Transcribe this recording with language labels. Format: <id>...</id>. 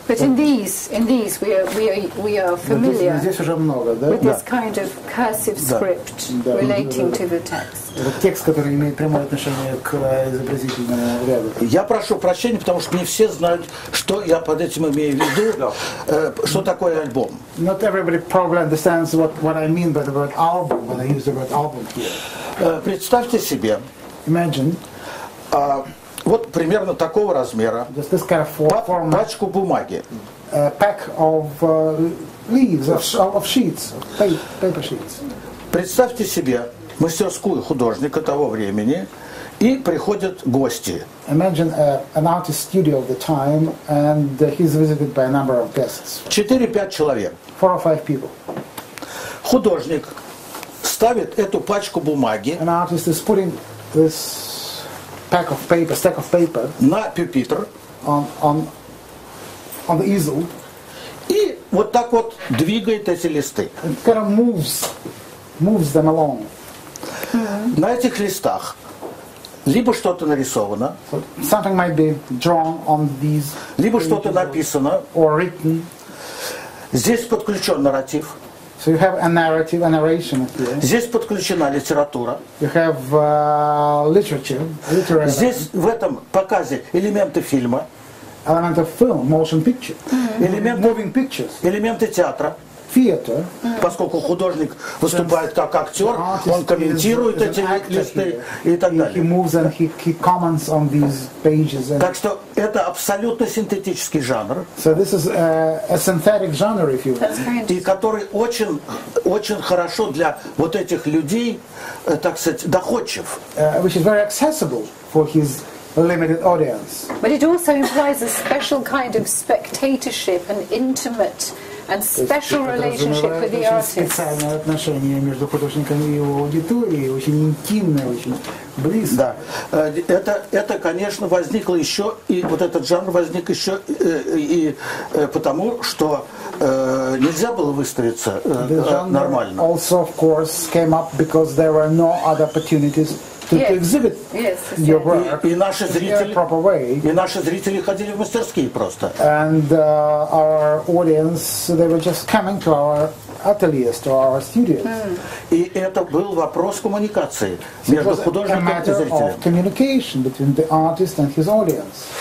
<en>But in these we are familiar.</en> <ru>Здесь уже много, да?</ru> <en>With this kind of cursive script relating to the text.</en> <ru>Это текст, который имеет прямое отношение к изобразительному ряду. Я прошу прощения, потому что не все знают, что я под этим имею в виду, что такое альбом.</ru> <en>Not everybody probably understands what I mean by the word album when I use the word album here.</en> <ru>Представьте себе.</ru> <en>Imagine.</en> <ru>Вот примерно такого размера</ru> <en>kind of form,</en> <ru>пачку бумаги.</ru> <en>Pack of leaves, of sheets, paper sheets.</en> <ru>Представьте себе мастерскую художника того времени, и приходят гости.</ru> <en>Imagine an artist studio of the time, and he's visited by a number of guests.</en> <ru>4-5 человек.</ru> <en>4 or 5 people.</en> <ru>Художник ставит эту пачку бумаги.</ru> <en>An artist is putting this pack of paper, stack of paper</en> <ru>на пюпитр,</ru> <en>on the easel,</en> <ru>и вот так вот двигает эти листы.</ru> <en>And kind of moves them along.</en> <ru>Mm-hmm. На этих листах либо что-то нарисовано,</ru> <en>so something might be drawn on these,</en> <ru>либо что-то написано,</ru> <en>or written.</en> <ru>Здесь подключен нарратив.</ru> <en>So you have a narrative, a narration here.</en> <ru>Здесь подключена литература.</ru> <en>You have literature.</en> <ru>Здесь в этом показе элементы фильма.</ru> <en>Element of film, motion picture.</en> <ru>Mm-hmm. Элементы,</ru> <en>moving pictures.</en> <ru>Элементы театра.</ru> <en>Theater. Mm-hmm.</en> <ru>Поскольку художник выступает как актер, он комментирует эти листы и так далее.</ru> <en>He moves and he comments on these pages.</en> <ru>Так что это абсолютно синтетический жанр.</ru> <en>So this is a synthetic genre, if you will.</en> <ru>И который очень, очень хорошо для вот этих людей, так сказать, доходчив.</ru> <en>Which is very accessible for his limited audience. But it also implies a special kind of spectatorship, an intimate and special relationship with the artist.</en> <ru>Специальное отношение между художником и его аудиторией, очень интимное, очень близкое. Да. Это, конечно, возникло еще и вот этот жанр возник еще и потому, что нельзя было выставиться нормально.</ru> <en>Also, of course, came up because there were no other opportunities to exhibit your work.</en> <ru>И наши зрители ходили в мастерские просто.</ru> <en>And our audience, they were just coming to our ateliers, to our studios. Mm.</en> <ru>И это был вопрос коммуникации между художником и зрителем.</ru> <en>It was a matter of communication between the artist and his audience.</en>